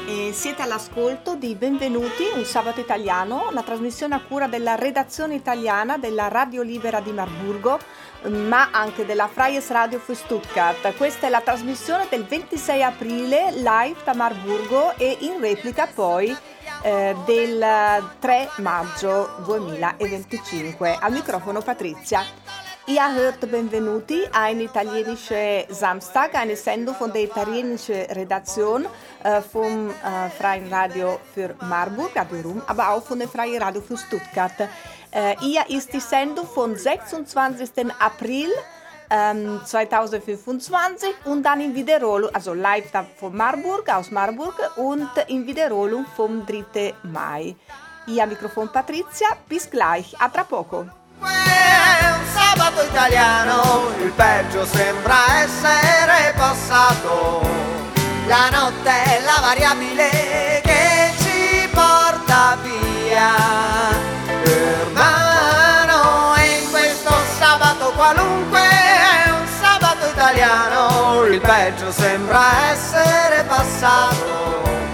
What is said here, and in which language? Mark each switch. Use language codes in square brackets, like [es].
[it] Siete all'ascolto di Benvenuti, un sabato italiano, la trasmissione a cura della redazione italiana della Radio Libera di Marburgo, ma anche della Freies Radio für Stuttgart. Questa è la trasmissione del 26 aprile, live da Marburgo e in replica poi del 3 maggio 2025. Al microfono Patrizia. [de] Ihr hört Benvenuti, ein italienischer Samstag, eine Sendung von der italienischen Redaktion vom Freien Radio für Marburg, Adorum, aber auch von der Freien Radio für Stuttgart. Ihr ist die Sendung vom 26. April 2025 und dann in Wiederholung, also live von Marburg, aus Marburg und in Wiederholung vom 3. Mai. Ihr Mikrofon Patrizia, bis gleich, [it] a tra poco. Sabato italiano, il peggio sembra essere passato. La notte è la variabile che ci porta via. Hermano, e in questo sabato qualunque è un sabato italiano, il peggio sembra essere passato.